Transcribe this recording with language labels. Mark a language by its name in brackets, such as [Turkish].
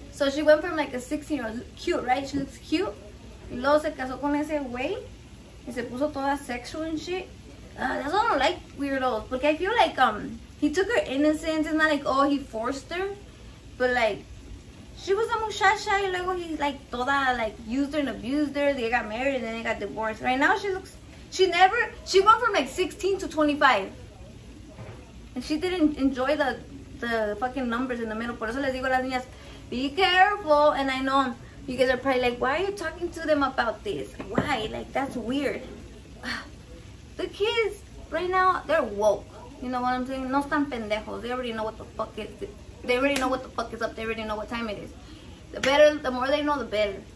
[English] So she went from like a 16-year-old, cute, right? She looks cute. [Spanish] Luego se casó con ese güey. Y se puso toda sexual [English] and shit. That's why I don't like weirdos. [Spanish] Porque [English] I feel like he took her innocence. It's not like, oh, he forced her, but like, she was a [Spanish] muchacha, [English] and [Spanish] luego [English] he like toda like used her and abused her. They got married and then they got divorced. Right now she looks, she went from like 16 to 25. And she didn't enjoy the fucking numbers in the middle. [Spanish] Por eso les digo a las niñas, [English] be careful. And I know you guys are probably like, why are you talking to them about this? Why? Like, that's weird. The kids right now, they're woke. You know what I'm saying? [Spanish] No están pendejos. [English] They already know what the fuck is this. They already know what the fuck is up. They already know what time it is. The better, the more they know, the better.